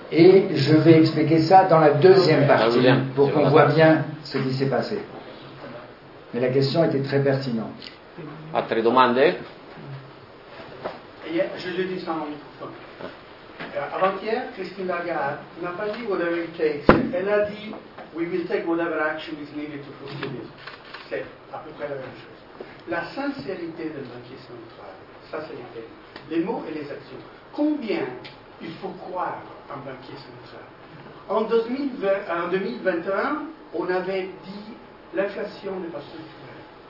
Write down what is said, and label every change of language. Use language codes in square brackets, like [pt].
[fr] Et je vais expliquer ça dans la deuxième partie pour qu'on voit bien ce qui s'est passé. Mais la question était très pertinente. [it] Altre domande? [fr] Je le dis sans microphone. Avant-hier, Christine Lagarde n'a pas dit [en] whatever it takes. [fr] Elle a dit [en] we will take whatever action is needed to fulfill it. [fr] C'est à peu près la même chose. La sincérité de la banquier central, ça c'est les faits. Les mots et les actions. Combien il faut croire en banquier central? En 2021, on avait dit l'inflation n'est pas structurelle.